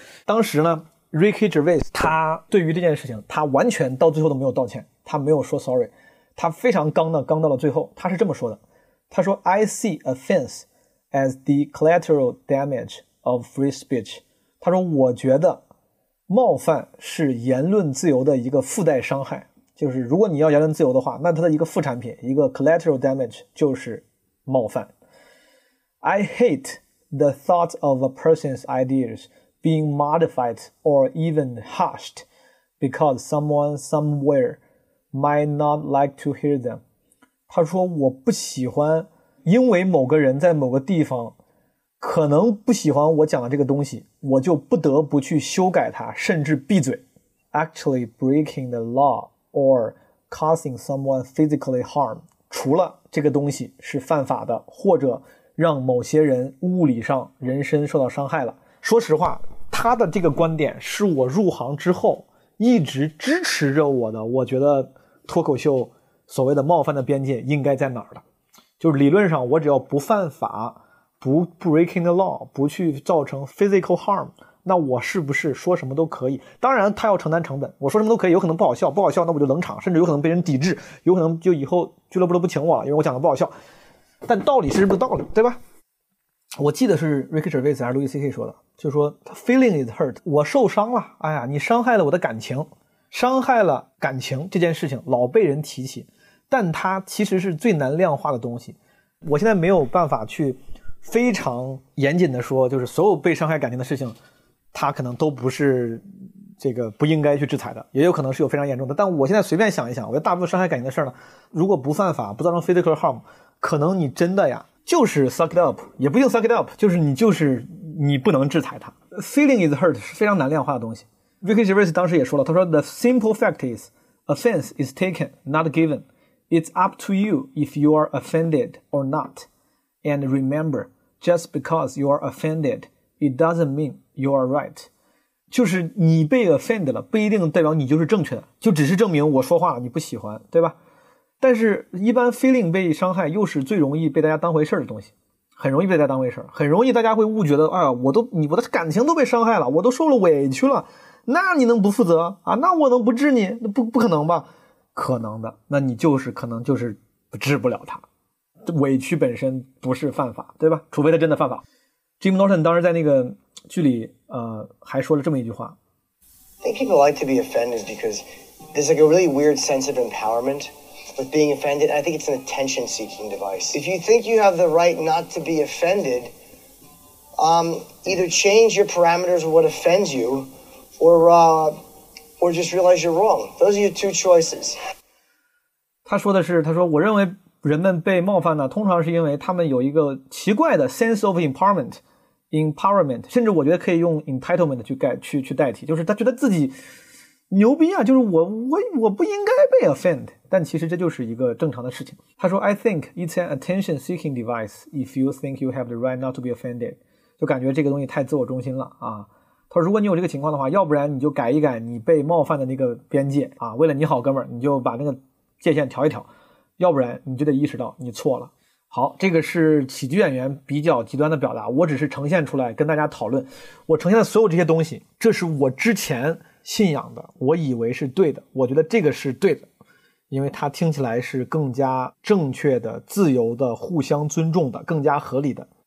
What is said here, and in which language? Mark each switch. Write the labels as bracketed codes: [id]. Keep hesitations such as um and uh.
[zh] 当时呢，Ricky Gervais 他对于这件事情，他完全到最后都没有道歉，他没有说 sorry，他非常刚的，刚到了最后，他是这么说的，他说 [en] I see offense as the collateral damage of free speech。 [zh] 他说我觉得。冒犯是言论自由的一个附带伤害，就是如果你要言论自由的话，那它的一个副产品，一个 [en] collateral damage [zh] 就是冒犯。 [en] I hate the thought of a person's ideas being modified or even hushed because someone somewhere might not like to hear them。 [zh] 他说我不喜欢，因为某个人在某个地方可能不喜欢我讲的这个东西。我就不得不去修改它，甚至闭嘴。 [en] Actually, breaking the law or causing someone physically harm， [zh] 除了这个东西是犯法的，或者让某些人物理上人身受到伤害了。说实话，他的这个观点是我入行之后一直支持着我的。我觉得脱口秀所谓的冒犯的边界应该在哪儿了？就是理论上，我只要不犯法。不 [en] breaking the law， [zh] 不去造成 [en] physical harm， [zh] 那我是不是说什么都可以？当然，他要承担成本。我说什么都可以，有可能不好笑，不好笑那我就冷场，甚至有可能被人抵制，有可能就以后俱乐部都不请我了，因为我讲的不好笑。但道理是不道理，对吧？我记得是 Richard Wis 还是 Louis C K 说的，就是说、 [en] the、feeling is hurt， [zh] 我受伤了。哎呀，你伤害了我的感情，伤害了感情这件事情老被人提起，但它其实是最难量化的东西。我现在没有办法去。非常严谨的说，就是所有被伤害感情的事情，他可能都不是这个不应该去制裁的，也有可能是有非常严重的。但我现在随便想一想，我觉得大部分伤害感情的事儿呢，如果不犯法，不造成 [en] physical harm， [zh] 可能你真的呀，就是 [en] suck it up， [zh] 也不用 suck it up，就是你就是你不能制裁他。 [en] Feeling is hurt [zh] 是非常难量化的东西。 [en] v i c k y j e r i s [zh] 当时也说了，他说 [en] The simple fact is, offense is taken, not given. It's up to you if you are offended or not. And remember, just because you are offended, it doesn't mean you are right. [zh] 就是你被 offended 了，不一定代表你就是正确的，就只是证明我说话了你不喜欢，对吧？但是，一般 feeling 被伤害又是最容易被大家当回事儿的东西，很容易被大家当回事儿，很容易大家会误觉得，哎、啊、呀，我都你我的感情都被伤害了，我都受了委屈了，那你能不负责啊？那我能不治你？那不不可能吧？可能的，那你就是可能就是治不了他，委屈本身不是犯法，对吧？除非他真的犯法。 Jim Norton 当时在那个剧里，呃，还说了这么一句话 [en] ：I think people like to be offended because there's like a really weird sense of empowerment with being offended. I think it's an attention-seeking device. If you think you have the right not to be offended, um, either change your parameters of what offends you, or uh, or just realize you're wrong. Those are your two choices. [zh] 他说的是，他说我认为人们被冒犯呢，通常是因为他们有一个奇怪的 [en] sense of empowerment， [zh] empowerment，empowerment, 甚至我觉得可以用 entitlement 去代去去代替，就是他觉得自己牛逼啊，就是我我我不应该被 offend，但其实这就是一个正常的事情。他说， [en] I think it's an attention-seeking device. If you think you have the right not to be offended， [zh] 就感觉这个东西太自我中心了啊。他说，如果你有这个情况的话，要不然你就改一改你被冒犯的那个边界啊，为了你好，哥们儿，你就把那个界限调一调。要不然你就得意识到你错了。好，这个是喜剧演员比较极端的表达，我只是呈现出来跟大家讨论。我呈现的所有这些东西，这是我之前信仰的，我以为是对的，我觉得这个是对的，因为它听起来是更加正确的、自由的、互相尊重的、更加合理的。